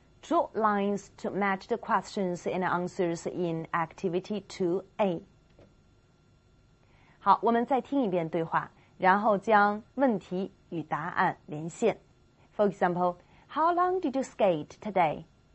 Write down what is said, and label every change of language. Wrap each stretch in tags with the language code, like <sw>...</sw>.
<en>Draw lines to match the questions and answers in Activity 2A.</en> <zh>好，我们再听一遍对话，然后将问题与答案连线。</zh> <en>For example, how long did you skate today?</en>